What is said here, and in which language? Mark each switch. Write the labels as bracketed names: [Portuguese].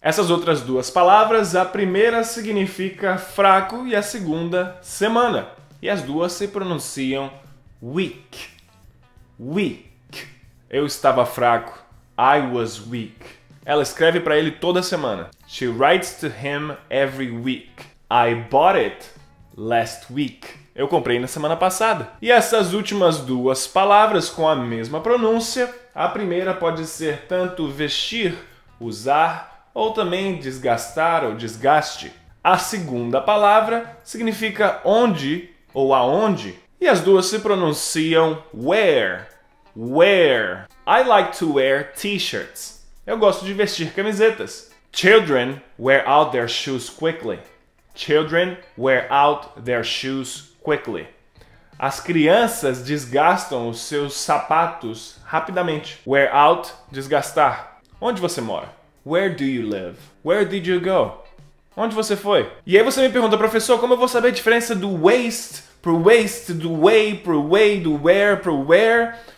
[Portuguese] Essas outras duas palavras, a primeira significa fraco e a segunda, semana. E as duas se pronunciam weak. Weak. Eu estava fraco. [English] I was weak. [Portuguese] Ela escreve para ele toda semana. [English] She writes to him every week. I bought it last week. [Portuguese] Eu comprei na semana passada. E essas últimas duas palavras com a mesma pronúncia, a primeira pode ser tanto vestir, usar, ou também desgastar ou desgaste. A segunda palavra significa onde ou aonde. E as duas se pronunciam wear. Wear. [English] I like to wear t-shirts. [Portuguese] Eu gosto de vestir camisetas. [English] Children wear out their shoes quickly. Children wear out their shoes quickly. [Portuguese] As crianças desgastam os seus sapatos rapidamente. [English] Wear out, [Portuguese] desgastar. Onde você mora? [English] Where do you live? Where did you go? [Portuguese] Onde você foi? E aí você me pergunta, professor, como eu vou saber a diferença do waste pro waste, do way pro way, do where pro where?